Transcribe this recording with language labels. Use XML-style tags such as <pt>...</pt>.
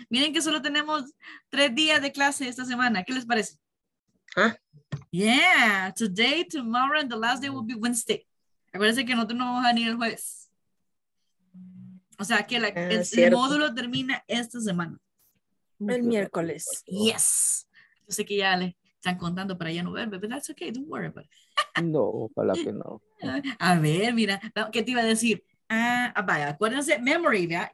<es>Miren que solo tenemos 3 días de clase esta semana. ¿Qué les parece? Huh?</es> <en>Yeah, today, tomorrow, and the last day will be Wednesday.</en> <es>Acuérdense que nosotros no vamos a venir el jueves. O sea, que el módulo termina esta semana. El miércoles. Yes. Yo sé que ya le están contando para ya no verme,</es> <en>but that's okay, don't worry about it.</en> <es>No, ojalá que no. A ver, mira, ¿qué te iba a decir? Vaya, acuérdense, memory, ¿vea?</es>